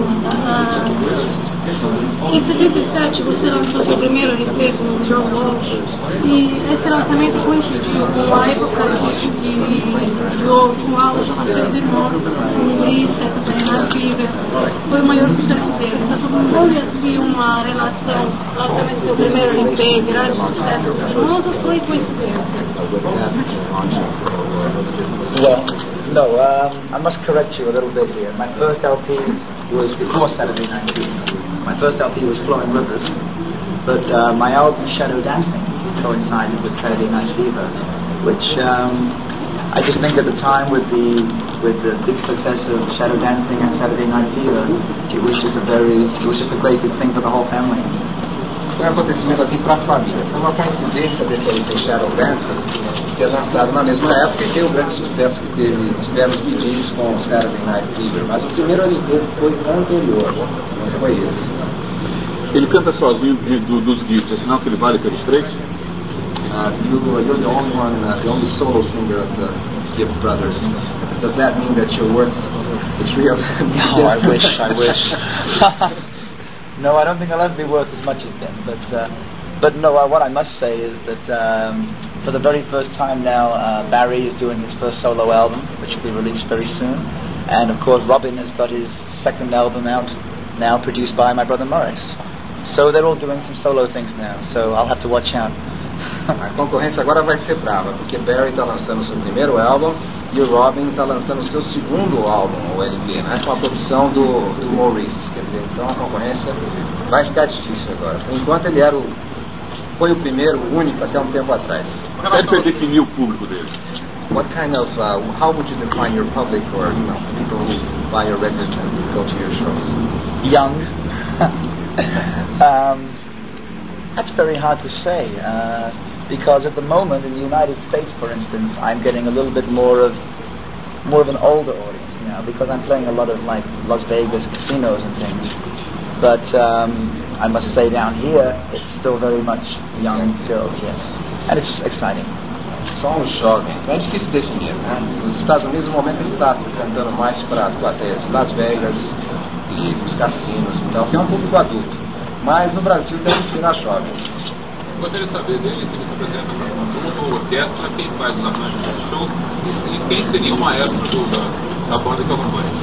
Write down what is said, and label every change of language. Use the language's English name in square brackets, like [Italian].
[Portuguese] Em 77 você lançou seu primeiro LP com o John Walsh e esse lançamento coincidiu com a época de João Walsh, com as três irmãs, com o Luiz, com a Renata Viva, foi o maior sucesso dele. Então, houve assim uma relação, lançamento do seu primeiro LP, grande sucesso dos irmãos, ou foi coincidência? [English] No, I must correct you a little bit here. My first LP was before Saturday Night Fever. My first LP was Flowing Rivers, but my album Shadow Dancing coincided with Saturday Night Fever, which I just think at the time with the big success of Shadow Dancing and Saturday Night Fever, it was just a great big thing for the whole family. [Portuguese] Foi um acontecimento assim para a família. Foi uma coincidência desse LP Shadow Dancer ter lançado na mesma época e ter o grande sucesso que teve. Tivemos pedidos com o Saturday Night Fever, mas o primeiro LP foi anterior. Foi esse. Ele canta sozinho dos Gibbs, é sinal que ele vale pelos três? [English] You're the only solo singer of the Gibb Brothers. Does that mean that you're worth the three of them? No, I wish. No, I don't think I'll ever be worth as much as them, but what I must say is that for the very first time now, Barry is doing his first solo album, which will be released very soon, and of course Robin has got his second album out now, produced by my brother Morris. So they're all doing some solo things now, so I'll have to watch out. [Portuguese] A concorrência agora vai ser brava, porque Barry está lançando seu primeiro álbum e o Robin está lançando seu segundo álbum, o LP, né? Com a produção do Morris. Quer dizer, então a concorrência vai ficar difícil agora. Enquanto ele era foi o primeiro, o único, até um tempo atrás. Como é que você definiu o público dele? [English] What kind of, how would you define your public or, you know, people who buy your records and go to your shows? Young. That's very hard to say, because at the moment in the United States, for instance, I'm getting a little bit more of an older audience now, because I'm playing a lot of like Las Vegas casinos and things. But I must say down here, it's still very much young girls, yes. And it's exciting. [Portuguese] Só jovem. É difícil definir, né? Nos Estados Unidos, no momento, ele está cantando mais para as plateias de Las Vegas e os cassinos e tal, que é um público adulto. Mas no Brasil, deve ser as jovens. Eu gostaria de saber dele, se ele se apresenta para um grupo ou orquestra, quem faz os arranjos do show e quem seria o maestro da banda que acompanha.